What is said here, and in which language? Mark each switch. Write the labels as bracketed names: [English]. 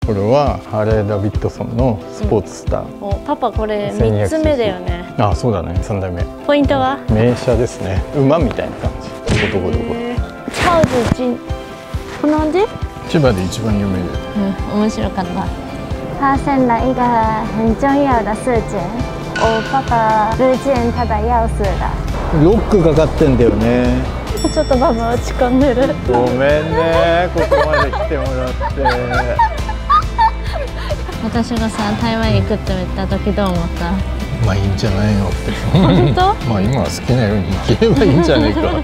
[Japanese] これはハーレーダビッドソンのスポーツスター、うん、パパこれ3つ目だよね。あ、そうだね、3台目。ポイントは名車ですね、馬みたいな感じ。どこチャウズジン、これなんで千葉で一番有名で、うん、面白かった。 [Chinese] 发现了一个很重要的事情，我爸爸不见他的钥匙了。 [Japanese] ロックかかってんだよね。ちょっとママ落ち込んでる。ごめんね、ここまで来てもらって。私がさ、台湾行くって言った時どう思った？まあいいんじゃないよって。本当？まあ今は好きなように行けばいいんじゃないか。